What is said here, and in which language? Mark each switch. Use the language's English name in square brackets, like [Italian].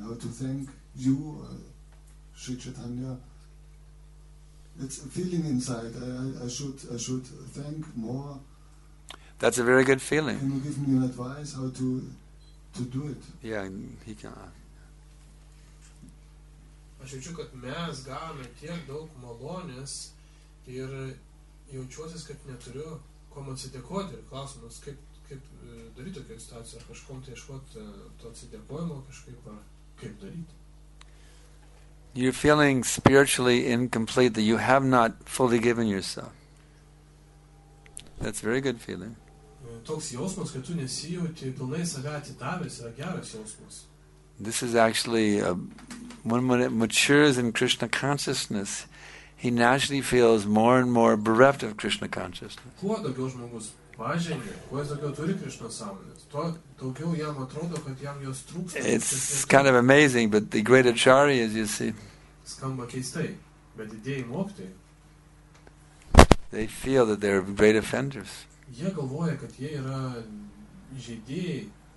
[English] How to thank you, Sri Chaitanya? It's a feeling inside. I should thank more. That's a very good feeling. Can you give me an advice how to do it? Yeah, he can. [Lithuanian] Aš jaučiu, kad mes gavome tiek daug malonės ir jaučiuosi, kad neturiu kom atsidėkoti. Ir klausimas, kaip daryti tokią situaciją, ar kažkom tai iškoti to atsidėkojimo kažkaip, ar kaip daryti. [English] You're feeling spiritually incomplete, that you have not fully given yourself. That's a very good feeling. [Lithuanian] Toks jausmas, kad tu nesijauti pilnai save atidavęs, yra geras jausmas. [English] This is actually when it matures in Krishna consciousness, he naturally feels more and more bereft of Krishna consciousness. [Lithuanian] Kuo daugiau žmogus pažengia, kuo jis daugiau turi Krishna sąmonės, tuo daugiau jam atrodo, kad jam jos trūksta. [English] It's kind of amazing, but the great acharyas, you see, [Lithuanian] skamba keistai, bet didieji mokytojai, [English] they feel that they're great offenders. [Lithuanian] Jie galvoja, kad jie yra žaidėjai.